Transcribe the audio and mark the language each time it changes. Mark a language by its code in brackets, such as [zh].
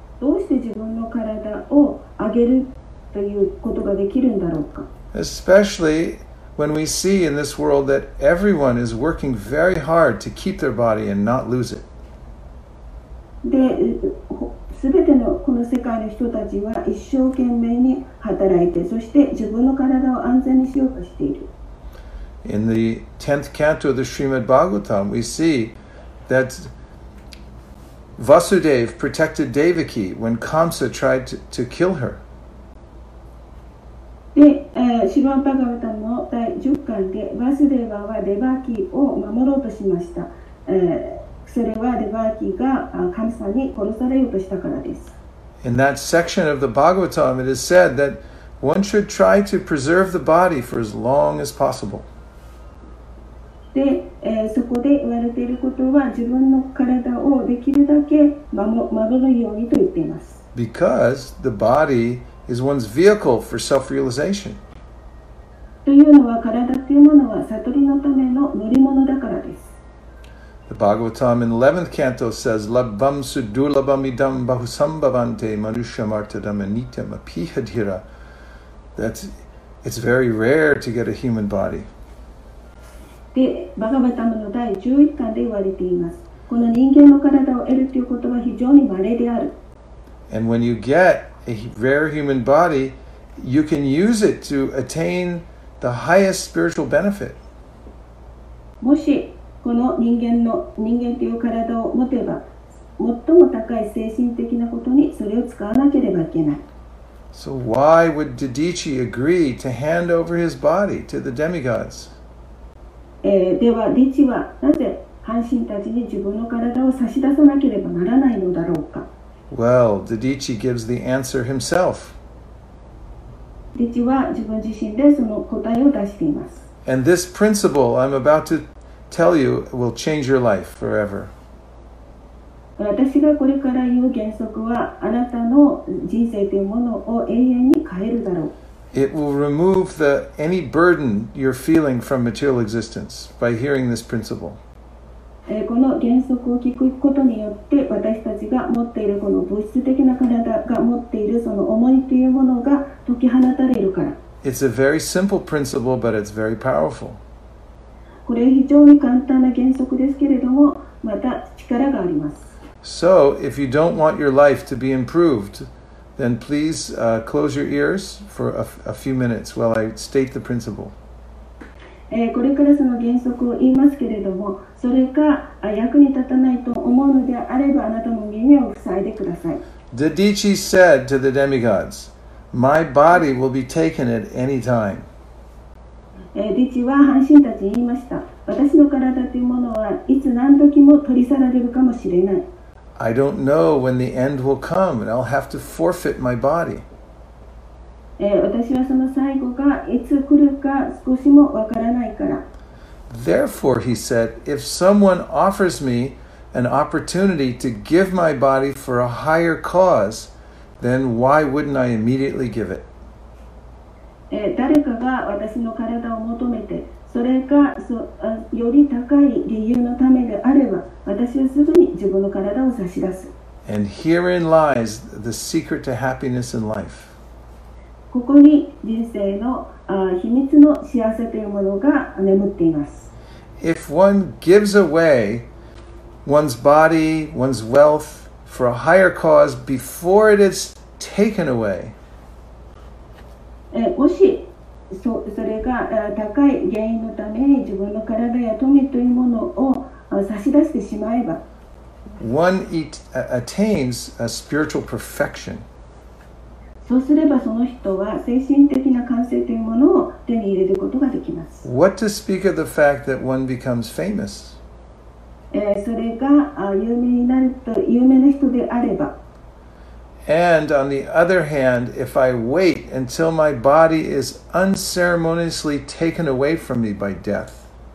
[ja] どうして自分の体をあげるということができるんだろうか。 [en] Especially when we see in this world that everyone is working very hard to keep their body and not lose it. [ja] で、すべてのこの世界の人たちは一生懸命に働いて、そして自分の体を安全にしようとしている。 [en] In the 10th canto of the Srimad Bhagavatam, we see thatVasudev protected Devaki when Kamsa tried to kill her. [ja] で、シュヴァンパガヴァタの第10巻で、ヴァスデーヴァはデヴァーキを守ろうとしました。それはデヴァーキがカムサに殺されようとしたからです。 [en] In that section of the Bhagavatam, it is said that one should try to preserve the body for as long as possible. [ja] で、そこで言われていることは自分の体をできるだけ守るようにと言っています。 [en] Because the body is one's vehicle for self-realization. [ja] というのは体というものは悟りのための乗り物だからです。 [en] The Bhagavatam in the 11th canto says, [sa] Labbam sudulabam idam bahusambhavante manusha martadam anitam apihadhira. [en] That's, it's very rare to get a human body. [ja] で、バガヴァタムの第11巻で言われています。この人間の体を得るということは非常に稀である。 [en] And when you get a rare human body, you can use it to attain the highest spiritual benefit. [ja] もし、この人間の人間という体を持てば、最も高い精神的なことにそれを使わなければいけない。 [en] So why would Didichi agree to hand over his body to the demigods? [ja] では、リチはなぜ半身たちに自分の体を差し出さなければならないのだろうか。 [en] Well, Didichi gives the answer himself. [ja] リチは自分自身でその答えを出しています。 [en] And this principle I'm about to tell you will change your life forever. [ja] 私がこれから言う原則はあなたの人生というものを永遠に変えるだろう。 [en] It will remove any burden you're feeling from material existence by hearing this principle. [ja] この原則を聞くことによって私たちが持っているこの物質的な体が持っているその重いというものが解き放たれるから。 [en] It's a very simple principle, but it's very powerful. [ja] これは非常に簡単な原則ですけれども、また力があります。 [en] So, if you don't want your life to be improved, then please close your ears for a few minutes while I state the principle. [ja] これからその原則を言いますけれども、それが役に立たないと思うのであれば、あなたの耳を塞いでください。 [en] Didichi said to the demigods,My body will be taken at any time. [ja] リチは半身たちに言いました。私の体というものはいつ何時も取り去られるかもしれない。 [en] I don't know when the end will come and I'll have to forfeit my body. [ja] 私はその最後がいつ来るか少しもわからないから。 [en] Therefore, he said, if someone offers me an opportunity to give my body for a higher cause,Then why wouldn't I immediately give it? [ja] 誰かが私の体を求めて、それがより高い理由のためであれば、私はすぐに自分の体を差し出す。 [en] And herein lies the secret to happiness in life. [ja] ここに人生の秘密の幸せというものが眠っています。 [en] If one gives away one's body, one's wealth,For a higher cause before it is taken away. [ja] もしそれが高い原因のために自分の体や富というものを差し出してしまえば、 [en] one attains a spiritual perfection. [ja] そうすればその人は精神的な完成というものを手に入れることができます。 [en] What to speak of the fact that one becomes famous? [ja] それが有名になると有名な人であれば。 [en] And on the other hand, if I wait until my body is unceremoniously taken away from me by death.